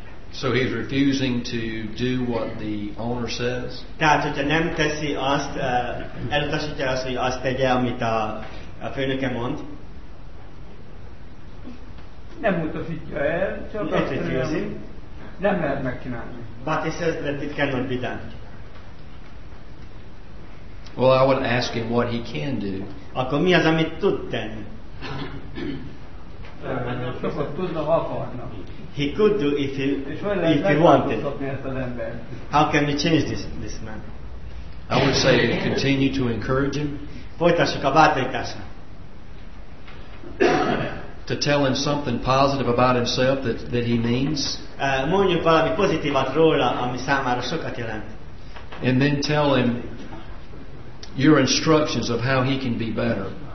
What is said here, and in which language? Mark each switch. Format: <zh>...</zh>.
<en>So he's refusing to do what the owner says.</en> <hu>Tehát, hogyha nem teszi azt, elutasítja azt, hogy azt tegye, amit a főnöke mond. Nem utasítja el, csak</hu> <en>azt refusing.</en> <hu>Nem lehet megcsinálni.</hu> <en>But he says that it cannot be done. Well, I would ask him what he can do.</en> <hu>Akkor mi az, amit tud tenni? Sokat tudna, ha akarna.</hu> <en>He could do if he wanted. How can we change this man? I would say continue to encourage him.</en> <hu>Folytassuk a bátorítása.</hu> <en>To tell him something positive about himself that he means.</en> <hu>Mondjuk valami pozitívat róla, ami számára sokat jelent.</hu> <en>And then tell him your instructions of how he can be better.</en>